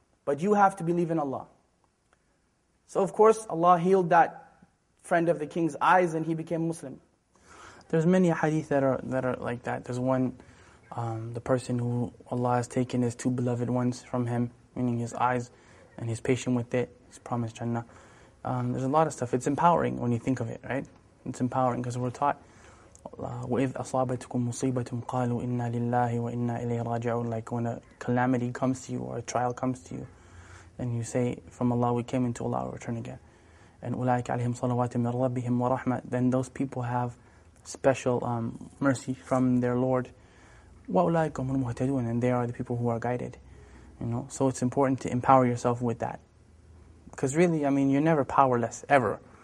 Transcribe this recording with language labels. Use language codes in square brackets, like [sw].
[en] But you have to believe in Allah. So of course, Allah healed that friend of the king's eyes and he became Muslim. There's many hadith that are like that. There's one, the person who Allah has taken his two beloved ones from him, meaning his eyes, and he's patient with it. He's promised Jannah. There's a lot of stuff. It's empowering when you think of it, right? It's empowering because we're taught, [ar] وَإِذْ أَصَابَتْكُمْ مُصِيبَةٌ قَالُوا إِنَّا لِلَّهِ وَإِنَّا إِلَيْهِ رَاجِعُونَ. [en] Like when a calamity comes to you or a trial comes to you, and you say, from Allah, we came into Allah, we'll return again. And [ar] أُولَٰئِكَ عَلَيْهِمْ صَلَوَاتٍ مِنْ رَبِّهِمْ وَرَحْمَةٍ. [en] Then those people have special mercy from their Lord. [ar] وَأُولَٰئِكَ هُمُ الْمُهْتَدُونَ. [en] And they are the people who are guided. You know, so it's important to empower yourself with that. Because really, I mean, you're never powerless, ever.